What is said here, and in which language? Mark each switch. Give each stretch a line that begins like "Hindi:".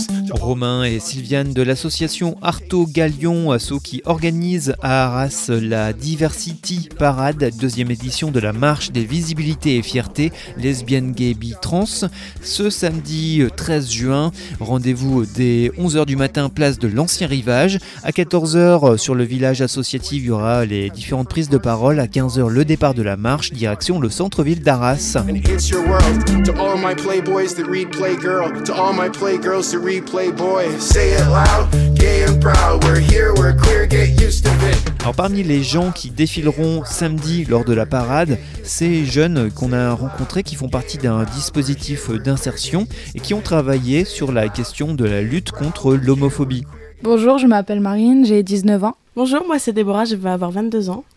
French: Romain et Sylviane de l'association Arto Galion, asso qui organise à Arras la Diversity Parade, deuxième édition de la marche des visibilités et fiertés lesbiennes, gays, bi, trans. Ce samedi 13 juin, rendez-vous dès 11h du matin, place de l'Ancien Rivage. À 14h, sur le village associatif, il y aura les différentes prises de parole. À 15h, le départ de la marche, direction le centre-ville d'Arras.
English: To all my playboys that read Playgirl, to all my playgirls that read Playboy, say it loud, gay and proud, we're here, we're queer, get used to it.
French: Alors parmi les gens qui défileront samedi lors de la parade, ces jeunes qu'on a rencontrés qui font partie d'un dispositif d'insertion et qui ont travaillé sur la question de la lutte contre l'homophobie. Bonjour, je m'appelle Marine, j'ai 19 ans. Bonjour, moi c'est Déborah, je vais avoir 22 ans.